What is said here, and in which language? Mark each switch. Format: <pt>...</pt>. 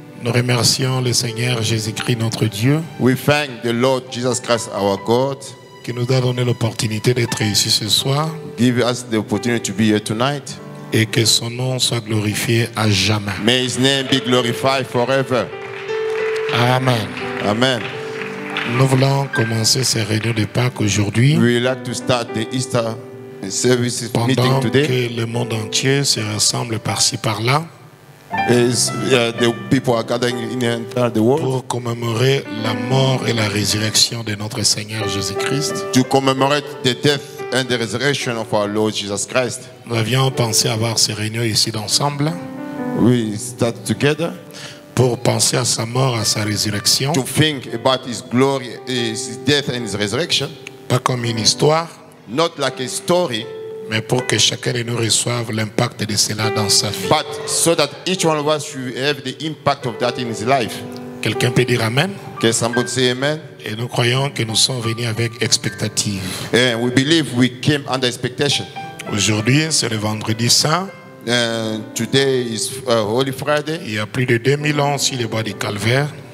<fr>Nous remercions le Seigneur Jésus-Christ notre Dieu.</fr> <en>We thank the Lord Jesus Christ our God.</en> <fr>Qui nous a donné l'opportunité d'être ici ce soir.</fr> <en>Give us the opportunity to be here tonight.</en> <fr>Et que son nom soit glorifié à jamais.</fr> <en>May his name be glorified forever.</en> <fr>Amen.</fr> <en>Amen.</en> <fr>Nous voulons commencer ces réunions de Pâques aujourd'hui.</fr> <en>We like to start the Easter services</en> <fr>pendant</fr> <en>meeting today.</en> <fr>Que le monde entier se rassemble par-ci par-là.</fr> <en>The people are gathering in the entire world.</en> <fr>Pour commémorer la mort et la résurrection de notre Seigneur Jésus-Christ.</fr> <en>To commemorate the death and the resurrection of our Lord Jesus Christ.</en> <fr>Nous avions pensé avoir ces réunions ici d'ensemble.</fr> <en>We start together.</en> <fr>Pour penser à sa mort, à sa résurrection.</fr> <en>To think about his glory, his death and his resurrection.</en> <fr>Pas comme une histoire.</fr> <en>Not like a story.</en> <fr>Mais pour que chacun de nous reçoive l'impact de cela dans sa vie.</fr> <en>But so that each one of us should have the impact of that in his life.</en> <fr>Quelqu'un peut dire amen.</fr> <en>Can somebody say amen?</en> <fr>Et nous croyons que nous sommes venus avec expectative.</fr> <en>And we believe we came under expectation.</en> <fr>Aujourd'hui, c'est le vendredi saint.</fr> <en>Today is Holy Friday.</en> <fr>Il y a plus de 2000 ans sur le bois du Calvaire.</fr>